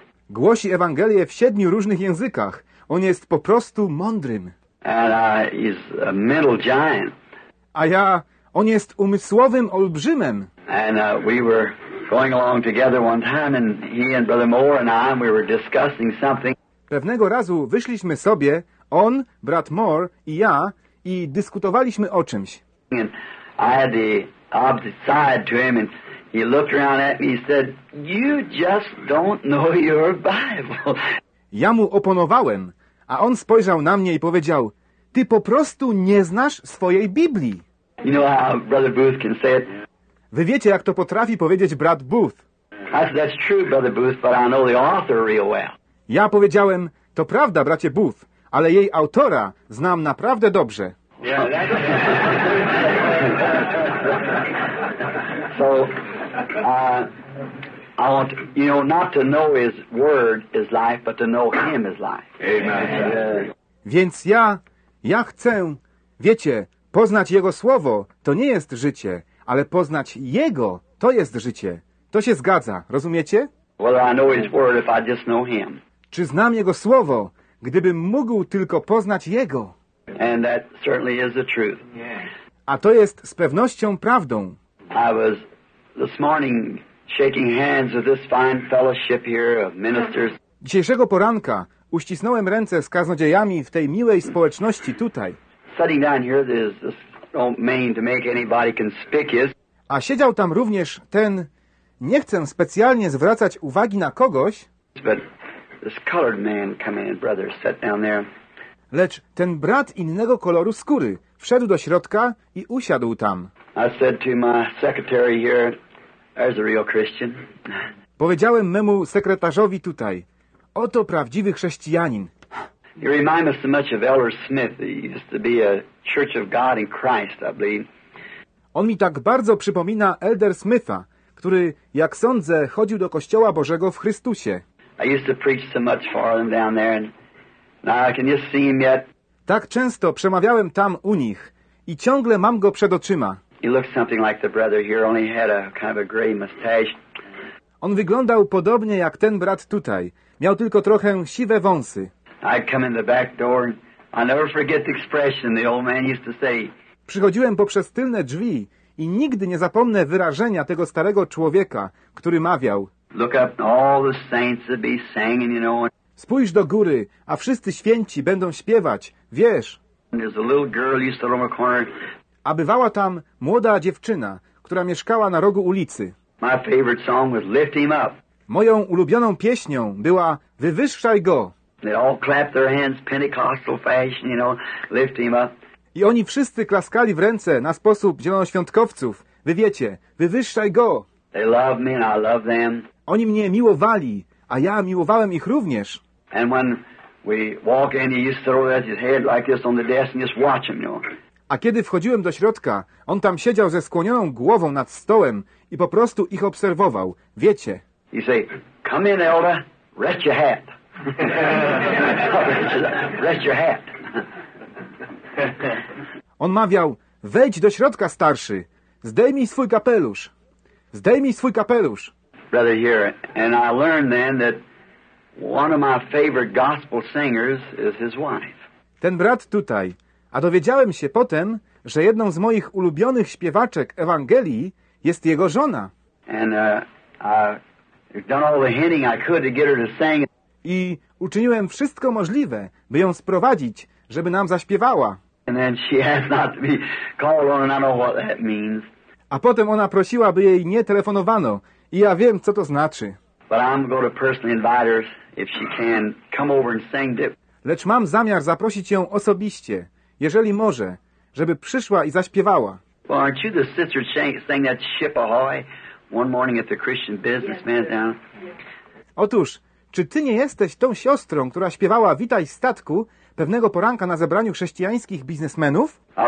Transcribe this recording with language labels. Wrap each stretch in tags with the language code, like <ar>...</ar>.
<pl>Głosi Ewangelię w 7 różnych językach. On jest po prostu mądrym.</pl> <en>And he's a mental giant.</en> <pl>A ja, on jest umysłowym olbrzymem.</pl> <en>And we were going along together one time, and he and Brother Moore and I, and we were discussing something.</en> <pl>Pewnego razu wyszliśmy sobie, on, brat Moore i ja, i dyskutowaliśmy o czymś.</pl> <en>And I had the opposite side to him, and he looked around at me and said, "You just don't know your Bible."</en> <pl>Ja mu oponowałem. A on spojrzał na mnie i powiedział, ty po prostu nie znasz swojej Biblii.</pl> <en>You know how Brother Booth can say it?</en> <pl>Wy wiecie, jak to potrafi powiedzieć brat Booth.</pl> <en>That's true, Brother Booth, but I know the author real well.</en> <pl>Ja powiedziałem, to prawda, bracie Booth, ale jej autora znam naprawdę dobrze.</pl> <en>Yeah, that's... So, I want to, you know, not to know his word is life, but to know him is life. Amen.</en> <pl>Więc ja chcę, wiecie, poznać jego słowo, to nie jest życie, ale poznać jego, to jest życie. To się zgadza, rozumiecie?</pl> <en>Well, I know his word if I just know him.</en> <pl>Czy znam jego słowo, gdybym mógł tylko poznać jego?</pl> <en>And that certainly is the truth.</en> <pl>A to jest z pewnością prawdą.</pl> <en>I was this morning shaking hands with this fine fellowship here of ministers.</en> <pl>Dzisiejszego poranka uścisnąłem ręce z kaznodziejami w tej miłej społeczności tutaj.</pl> <en>Sitting down here, this don't mean to make anybody conspicuous.</en> <pl>A siedział tam również ten, nie chcę specjalnie zwracać uwagi na kogoś,</pl> <en>but this colored man come in, brother, sat down there.</en> <pl>Lecz ten brat innego koloru skóry wszedł do środka i usiadł tam.</pl> <en>I said to my secretary here, there's a real Christian.</en> <pl>Powiedziałem memu sekretarzowi tutaj, oto prawdziwy chrześcijanin.</pl> <en>You remind us so much of Elder Smith. He used to be a Church of God in Christ, I believe.</en> <pl>On mi tak bardzo przypomina Elder Smitha, który, jak sądzę, chodził do Kościoła Bożego w Chrystusie.</pl> <en>I used to preach so much for them down there, and now I can just see him yet.</en> <pl>Tak często przemawiałem tam u nich i ciągle mam go przed oczyma.</pl> <en>He looked something like the brother here, only had a kind of a gray mustache.</en> <pl>On wyglądał podobnie jak ten brat tutaj. Miał tylko trochę siwe wąsy.</pl> <en>I come in the back door. I never forget the expression the old man used to say.</en> <pl>Przychodziłem poprzez tylne drzwi i nigdy nie zapomnę wyrażenia tego starego człowieka, który mawiał.</pl> <en>Look up, all the saints will be singing, you know.</en> <pl>Spójrz do góry, a wszyscy święci będą śpiewać, wiesz.</pl> <en>There's a little girl used to roam a corner.</en> <pl>A bywała tam młoda dziewczyna, która mieszkała na rogu ulicy.</pl> <en>My favorite song was Lift Him Up.</en> <pl>Moją ulubioną pieśnią była Wywyższaj Go.</pl> <en>They all clapped their hands Pentecostal fashion, you know, Lift Him Up.</en> <pl>I oni wszyscy klaskali w ręce na sposób zielonoświątkowców. Wy wiecie, wywyższaj go.</pl> <en>They love me and I love them.</en> <pl>Oni mnie miłowali, a ja miłowałem ich również.</pl> <en>And when we walk in, he used to throw his head like this on the desk and just watch him, you know.</en> <pl>A kiedy wchodziłem do środka, on tam siedział ze skłonioną głową nad stołem i po prostu ich obserwował. Wiecie.</pl> <en>He say, come in, elder, rest your hat. Rest your hat.</en> <pl>On mawiał, wejdź do środka, starszy. Zdejmij swój kapelusz. Zdejmij swój kapelusz.</pl> <en>Brother here, and I learned then that one of my favorite gospel singers is his wife.</en> <pl>Ten brat tutaj. A dowiedziałem się potem, że jedną z moich ulubionych śpiewaczek Ewangelii jest jego żona.</pl> <en>And I've done all the hinting I could to get her to sing.</en> <pl>I uczyniłem wszystko możliwe, by ją sprowadzić, żeby nam zaśpiewała.</pl> <en>And then she asked not to be called on, and I know what that means.</en> <pl>A potem ona prosiła, by jej nie telefonowano, i ja wiem, co to znaczy.</pl> <en>But I'm going to personally invite her, if she can, come over and sing it.</en> <pl>Lecz mam zamiar zaprosić ją osobiście, jeżeli może, żeby przyszła i zaśpiewała.</pl> <en>Well, aren't you the sister sang that ship ahoy one morning at the Christian businessman down?</en> <pl>Otóż, czy ty nie jesteś tą siostrą, która śpiewała Witaj statku pewnego poranka na zebraniu chrześcijańskich biznesmenów?</pl>